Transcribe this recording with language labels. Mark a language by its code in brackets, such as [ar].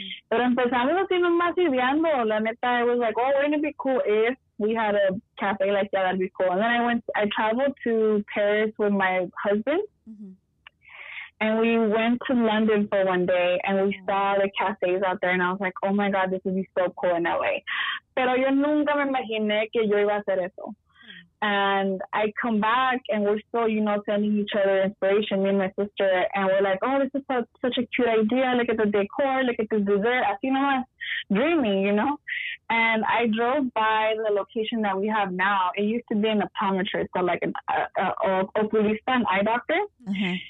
[es] Pero empezamos así nomás ideando. La neta, [en] I was like, oh, wouldn't it be cool if we had a cafe like that? That'd be cool. And then I traveled to Paris with my husband. Mm-hmm. And we went to London for one day and we saw the cafes out there and I was like, oh my God, this would be so cool in LA. [es] Pero yo nunca me imaginé que yo iba a hacer eso. [en] And I come back and we're still, you know, sending each other inspiration, me and my sister, and we're like, oh, this is such a cute idea. Look at the decor, look at the dessert. [es] Así nomás, [en] dreaming, you know? And I drove by the location that we have now. It used to be an optometrist, so like an oculista, an eye doctor. Mm-hmm.